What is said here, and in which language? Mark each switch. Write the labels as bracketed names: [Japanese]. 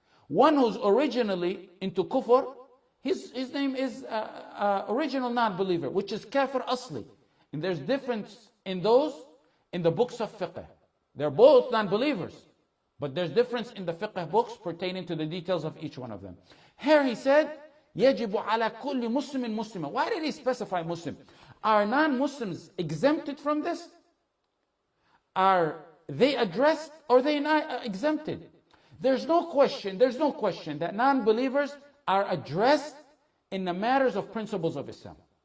[English] One who's originally into kufr, his name is original non-believer, which is kafir asli. And there's difference in those in the books of fiqh. They're both non-believers, but there's difference in the fiqh books pertaining to the details of each one of them. Here he said, [Arabic] يَجِبُ عَلَى كُلِّ مُسْلِمٍ مُسْلِمًا. [English] Why did he specify Muslim? Are non-Muslims exempted from this? Are they addressed or are they not exempted? There's no question that non-believers are addressed in the matters of principles of Islam.